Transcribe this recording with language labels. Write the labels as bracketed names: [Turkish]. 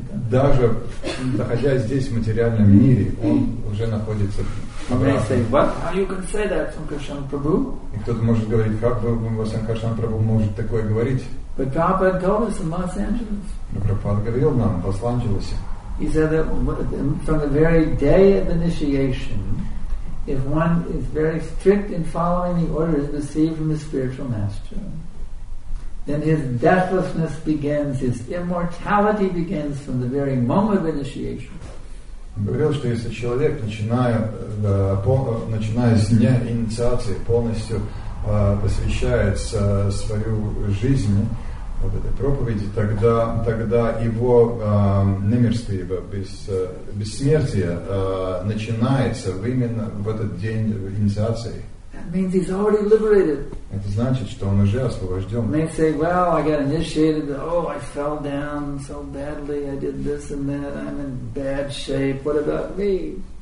[Russian] Даже находясь здесь в материальном мире, он уже находится обратно. И кто-то может говорить, как Санкаршан Прабху может такое говорить? Но Прабхупада говорил нам в Лос-Анджелесе. [English] He said that from the very day of initiation, if one is very strict in following the orders received from the spiritual master, then his deathlessness begins, his immortality begins from the very moment of initiation. [Russian] Он говорил, что если человек, начиная с дня инициации, полностью посвящает свою жизнь вот этой проповеди, тогда его немирствие, бессмертие начинается именно в этот день инициации. [English] That means he's already liberated. [Russian] Это значит, что он уже освобожден. [English] They say, well, I got initiated, oh, I fell down so badly, I did this and that, I'm in bad shape, what about me?